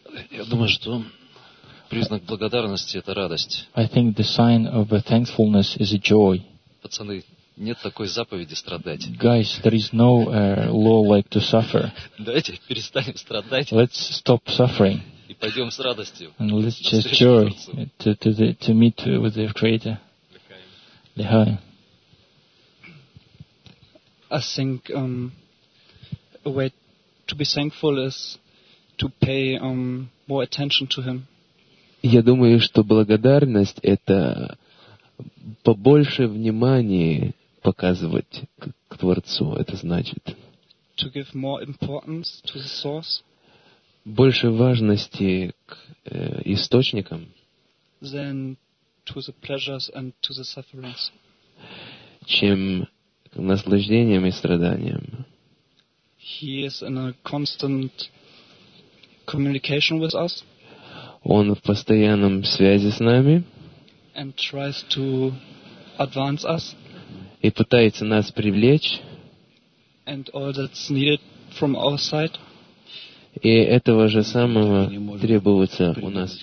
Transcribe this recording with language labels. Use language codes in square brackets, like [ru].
[ru] Я думаю, что признак благодарности — это радость. [en] I think the sign of a thankfulness is a joy. [ru] Пацаны, нет такой заповеди страдать. [en] Guys, there is no law like to suffer. [ru] Давайте перестанем страдать. [en] Let's stop suffering. [ru] И пойдем с радостью. [en] And let's just joy to meet with the Creator. [he] Lehaim. [en] I think a way to be thankful is to pay more attention to Him. [ru] Я думаю, что благодарность — это побольше внимания показывать к Творцу, это значит. [en] To give more importance to the source. [ru] Больше важности к источникам. [en] Than to the pleasures and to the sufferings. [ru] Чем к наслаждениям и страданиям. [en] He is in a constant communication with us. [ru] Он в постоянном связи с нами. [en] And tries to advance us. [ru] И пытается нас привлечь. [en] And all that's needed from our side. [ru] И этого же самого требуется у нас.